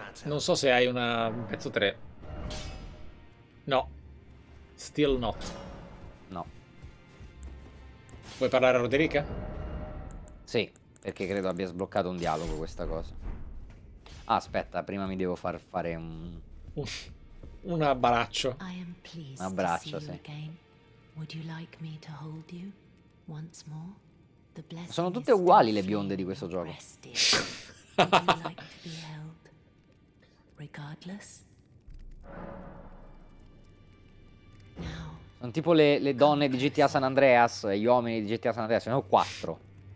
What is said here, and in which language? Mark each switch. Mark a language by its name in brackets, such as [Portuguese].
[Italian] Non so se hai una... un pezzo 3. No. [English] Still not. [Italian] No. Vuoi parlare a Roderica? Sì, perché credo abbia sbloccato un dialogo questa cosa. Ah, aspetta, prima mi devo far fare un... un abbraccio. Un abbraccio, sì. [English] Would you like me to hold you once more? The blessing. [Italian] Sono tutte uguali le bionde di questo gioco. [English] Would you like to be held? Regardless. Now. [Italian] Sono tipo le donne di GTA San Andreas e gli uomini di GTA San Andreas, ne ho 4.